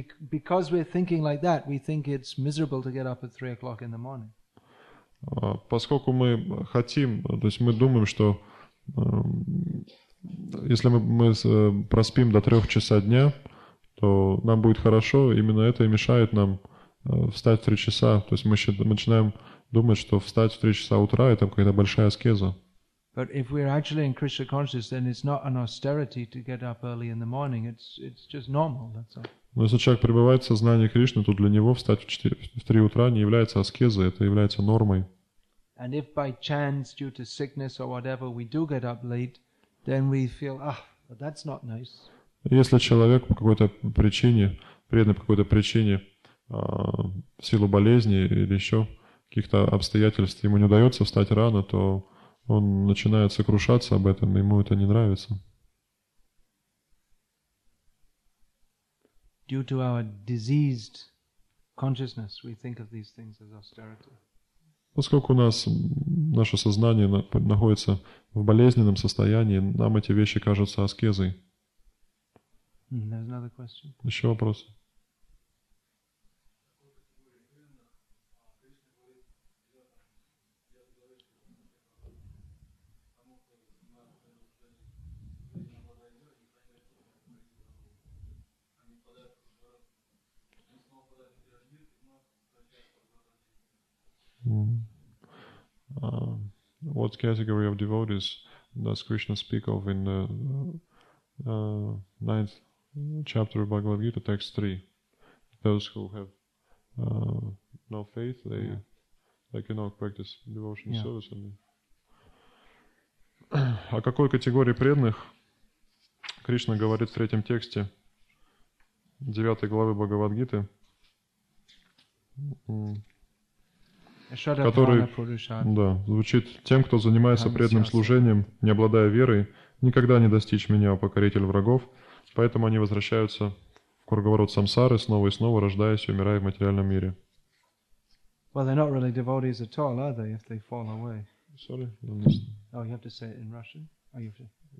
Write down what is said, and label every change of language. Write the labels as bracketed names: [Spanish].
[English] Because we're thinking like that, we think it's miserable to get up at 3 o'clock in the morning. [Russian] Поскольку мы хотим, то есть мы думаем, что если мы проспим до 3 часа дня, то нам будет хорошо, именно это и мешает нам встать в 3 часа. То есть мы начинаем думать, что встать в 3 часа утра – это какая-то большая аскеза. [English] But if we're actually in Krishna consciousness, then it's not an austerity to get up early in the morning. It's just normal, that's all. [Russian] Но если человек пребывает в сознании Кришны, то для него встать в 3 утра не является аскезой, это является нормой. [English] And if by chance, due to sickness or whatever, we do get up late, then we feel, but that's not nice. [Russian] Если человек по какой-то причине, преданный по какой-то причине, в силу болезни или еще каких-то обстоятельств, ему не удается встать рано, то он начинает сокрушаться об этом, ему это не нравится. [English] Due to our diseased consciousness, we think of these things as austerity. [Russian] Поскольку у нас наше сознание находится в болезненном состоянии, нам эти вещи кажутся аскезой. [English] There's another question. [Russian] Еще вопрос. [English] What category of devotees does Krishna speak of in the 9th chapter of Bhagavad Gita, text 3? Those who have no faith, they cannot practice devotional service. [Russian] О какой категории преданных Кришна говорит в 3-м тексте 9-й главы Бхагавад Гиты? Который, да, звучит: тем, кто занимается преданным служением, не обладая верой, никогда не достичь меня, о покоритель врагов, поэтому они возвращаются в круговорот самсары, снова и снова рождаясь и умирая в материальном мире. [English] Well, they're not really devotees at all, are they, if they fall away? Sorry, you have to say it in Russian? Oh, you have to...